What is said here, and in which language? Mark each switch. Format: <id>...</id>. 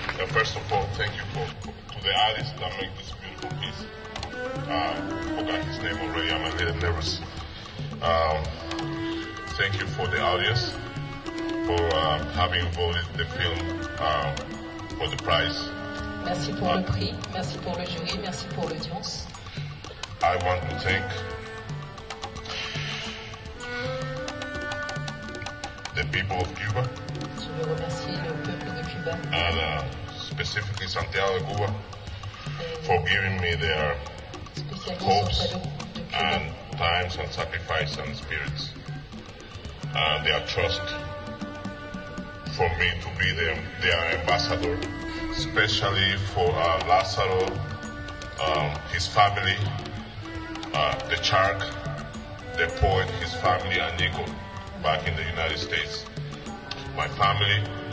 <en>First of all, thank you to the artists that make this beautiful piece. I forgot his name already, I'm a little nervous. Thank you for the audience, for having voted the film for the prize.</en> <fr>Merci pour le prix, merci pour le jury, merci pour l'audience.</fr> <en>I want to thank the people of Cuba.</en> <fr>Je veux remercier le peuple de Cuba.</fr> <en>And, specifically Santiago de Cuba, for giving me their hopes and times and sacrifice and spirits, and their trust for me to be their ambassador, especially for Lazaro, his family, the Chark, the poet, his family, and Nico back in the United States, my family,</en>